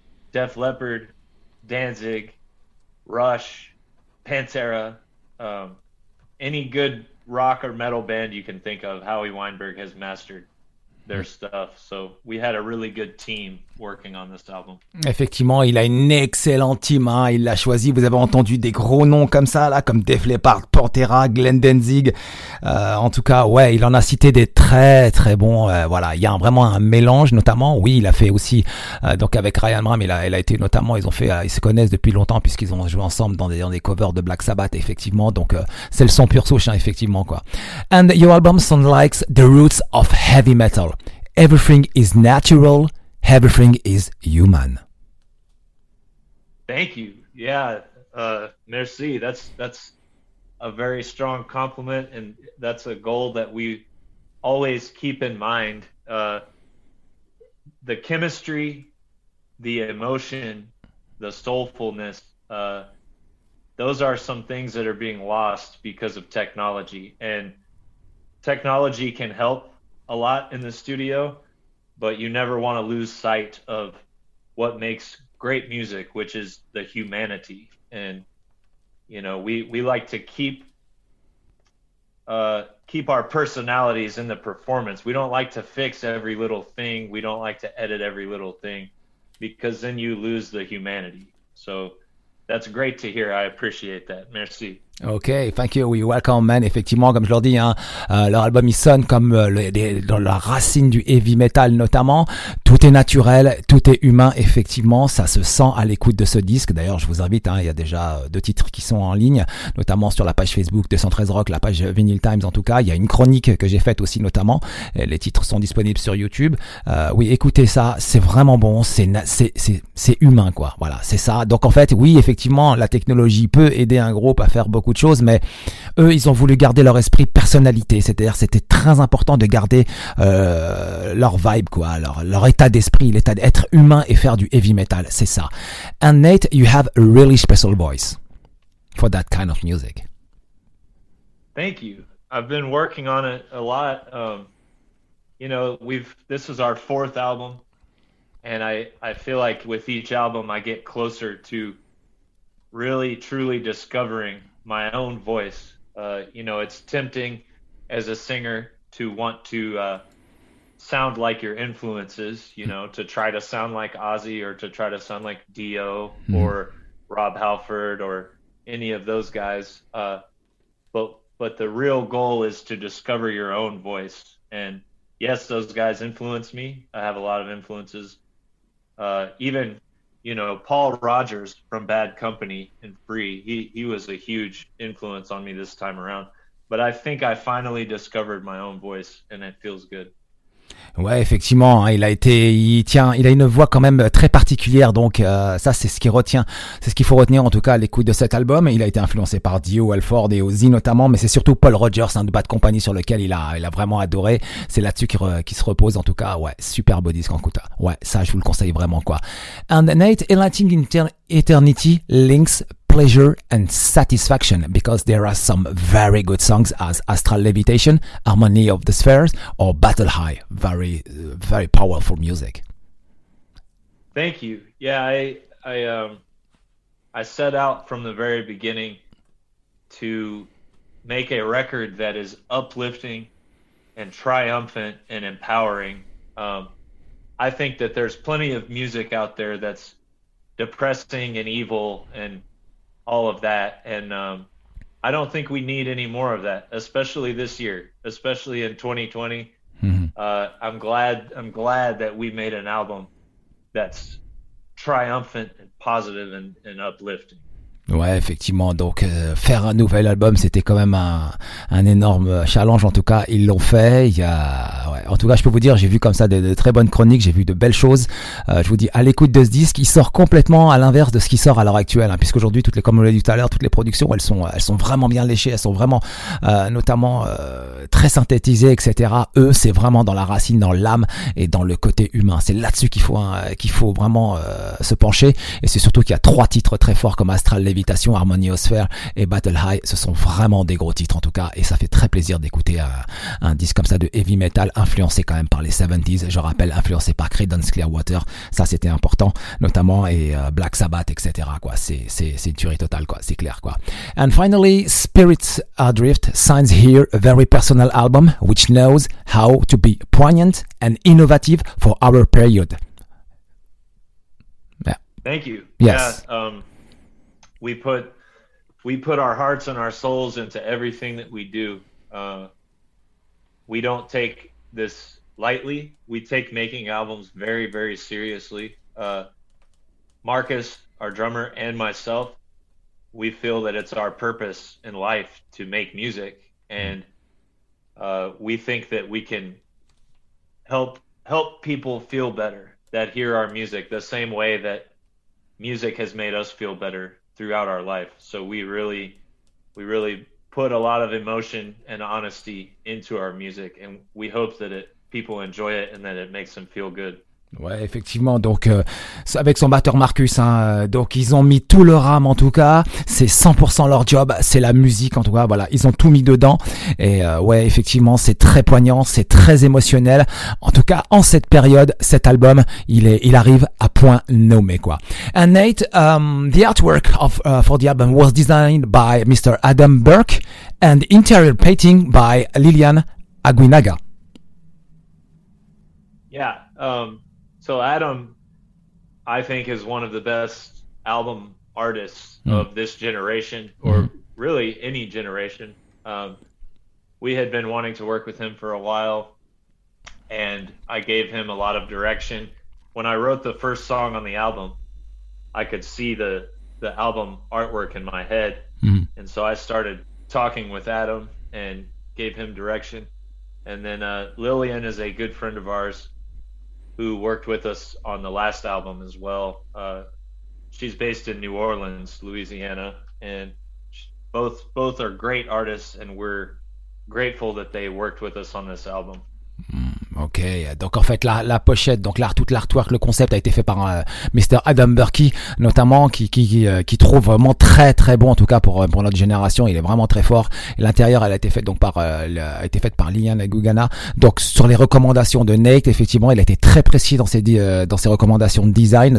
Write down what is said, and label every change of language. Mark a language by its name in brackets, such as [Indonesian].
[English] Def Leppard, Danzig, Rush, Pantera, any good rock or metal band you can think of, Howie Weinberg has mastered their stuff. So we had a really good team working on this album. [French] Effectivement, il a une excellente team, hein. Il l'a choisi. Vous avez entendu des gros noms comme ça, là, comme Def Leppard, Pantera, Glenn Danzig. En tout cas, ouais, il en a cité des très, très bons. Voilà, il y a vraiment un mélange, notamment. Oui, il a fait aussi, donc avec Ryan Bram, il a été notamment, ils se connaissent depuis longtemps puisqu'ils ont joué ensemble dans des covers de Black Sabbath, effectivement. Donc, c'est le son pure souche, hein, effectivement, quoi. [English] And your album sounds like the roots of heavy metal. Everything is natural. Everything is human. Thank you. Yeah, [French] merci. [English] That's a very strong compliment, and that's a goal that we always keep in mind. The chemistry, the emotion, the soulfulness, those are some things that are being lost because of technology. And technology can help a lot in the studio, but you never want to lose sight of what makes great music, which is the humanity. And, you know, we like to keep our personalities in the performance. We don't like to fix every little thing. We don't like to edit every little thing, because then you lose the humanity. So that's great to hear. I appreciate that. [French] Merci. [English] Ok, thank you, [French] oui, [English] welcome man. [French] Effectivement, comme je leur dis, hein, leur album il sonne comme dans la racine du heavy metal notamment. Tout est naturel, tout est humain, effectivement, ça se sent à l'écoute de ce disque. D'ailleurs, je vous invite, hein, il y a déjà deux titres qui sont en ligne, notamment sur la page Facebook 213 Rock, la page Vinyl Times en tout cas. Il y a une chronique que j'ai faite aussi notamment, et les titres sont disponibles sur YouTube. Oui, écoutez ça, c'est vraiment bon, c'est humain quoi, voilà, c'est ça. Donc en fait, oui, effectivement, la technologie peut aider un groupe à faire beaucoup de choses, mais eux, ils ont voulu garder leur esprit personnalité, c'est-à-dire c'était très important de garder leur vibe, quoi, leur état d'esprit, l'état d'être humain et faire du heavy metal, c'est ça. [English] And Nate, you have a really special voice for that kind of music. Thank you. I've been working on it a lot. You know, this is our fourth album, and I feel like with each album, I get closer to really, truly discovering my own voice. You know, it's tempting as a singer to want to sound like your influences, you know, to try to sound like Ozzy or to try to sound like Dio or Rob Halford or any of those guys. But the real goal is to discover your own voice. And yes, those guys influence me. I have a lot of influences. Even, you know, Paul Rodgers from Bad Company and Free, he was a huge influence on me this time around. But I think I finally discovered my own voice, and it feels good. [French] Ouais, effectivement, hein, il a une voix quand même très particulière, donc ça c'est ce qu'il retient, c'est ce qu'il faut retenir en tout cas à l'écoute de cet album. Il a été influencé par Dio, Halford et Ozzy notamment, mais c'est surtout Paul Rodgers, hein, de Bad Company, sur lequel il a vraiment adoré. C'est là-dessus qu'il se repose en tout cas. Ouais, super beau disque en tout cas. Ouais, ça je vous le conseille vraiment quoi. [English] And Nate, Enlighting Eternity links pleasure and satisfaction, because there are some very good songs as Astral Levitation, Harmony of the Spheres, or Battle High. Very, very powerful music. Thank you. Yeah, I set out from the very beginning to make a record that is uplifting and triumphant and empowering. I think that there's plenty of music out there that's depressing and evil and all of that, and I don't think we need any more of that, especially this year, especially in 2020. I'm glad that we made an album that's triumphant and positive and uplifting. [French] Ouais, effectivement. Donc, faire un nouvel album, c'était quand même un énorme challenge. En tout cas, ils l'ont fait. En tout cas, je peux vous dire, j'ai vu comme ça de très bonnes chroniques, j'ai vu de belles choses. Je vous dis, à l'écoute de ce disque, il sort complètement à l'inverse de ce qui sort à l'heure actuelle, hein, puisqu'aujourd'hui, toutes les, comme on l'a dit tout à l'heure, toutes les productions, elles sont vraiment bien léchées, elles sont vraiment, notamment, très synthétisées, etc. Eux, c'est vraiment dans la racine, dans l'âme et dans le côté humain. C'est là-dessus qu'il faut vraiment, se pencher. Et c'est surtout qu'il y a trois titres très forts comme Astral Lévitation, Harmoniosphère et Battle High. Ce sont vraiment des gros titres en tout cas, et ça fait très plaisir d'écouter un disque comme ça de heavy metal, influencé quand même par les 70s, je rappelle, influencé par Creedence Clearwater, ça c'était important notamment, et Black Sabbath, etc. quoi. C'est une tuerie totale quoi, c'est clair quoi. [English] And finally, Spirits Adrift signs here a very personal album which knows how to be poignant and innovative for our period. Yeah. Thank you. Yes. We put our hearts and our souls into everything that we do. We don't take this lightly. We take making albums very, very seriously. Marcus, our drummer, and myself, we feel that it's our purpose in life to make music. And we think that we can help people feel better that hear our music the same way that music has made us feel better throughout our life. So we really put a lot of emotion and honesty into our music, and we hope that people enjoy it and that it makes them feel good. [French] Ouais, effectivement. Donc, avec son batteur Marcus, hein, donc ils ont mis tout leur âme en tout cas. C'est 100% leur job. C'est la musique en tout cas. Voilà, ils ont tout mis dedans. Et ouais, effectivement, c'est très poignant, c'est très émotionnel. En tout cas, en cette période, cet album, il arrive à point nommé quoi. [English] And Nate, the artwork for the album was designed by Mr. Adam Burke and interior painting by Lilian Aguinaga. Yeah. So Adam, I think, is one of the best album artists of this generation, or really any generation. We had been wanting to work with him for a while, and I gave him a lot of direction. When I wrote the first song on the album, I could see the album artwork in my head. And so I started talking with Adam and gave him direction. And then Lilian is a good friend of ours, who worked with us on the last album as well. She's based in New Orleans, Louisiana, and both are great artists, and we're grateful that they worked with us on this album. [French] Ok, donc en fait la pochette, donc toute l'artwork, le concept a été fait par Mr. Adam Burke notamment, qui trouve vraiment très très bon, en tout cas pour notre génération, il est vraiment très fort. Et l'intérieur, elle a été faite donc par Lilian Aguinaga. Donc sur les recommandations de Nate, effectivement, il a été très précis dans ses recommandations de design.